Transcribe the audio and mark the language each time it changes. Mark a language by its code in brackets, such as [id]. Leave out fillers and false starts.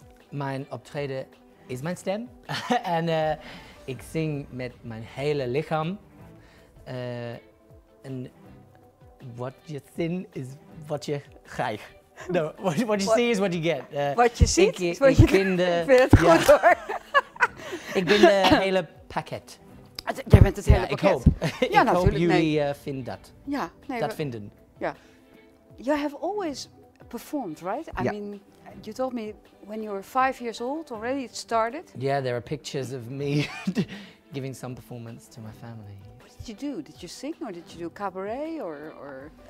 [nl] Mijn optreden is mijn stem en ik zing met mijn hele lichaam en wat je ziet is wat je krijgt. [en] No, what you see is what you get. [nl] Wat je ziet is wat je krijgt. Ik vind het goed, ja, hoor. Ik ben de hele pakket. Jij bent het hele, ja, pakket. Ik hoop. Ja, ik natuurlijk. Ik hoop jullie vinden dat. Ja. Nee, dat vinden. Ja. [en] You have always performed, right? I, ja, mean, you told me when you were 5 years old already it started. Yeah, there are pictures of me giving some performance to my family. What did you do? Did you sing or did you do cabaret or?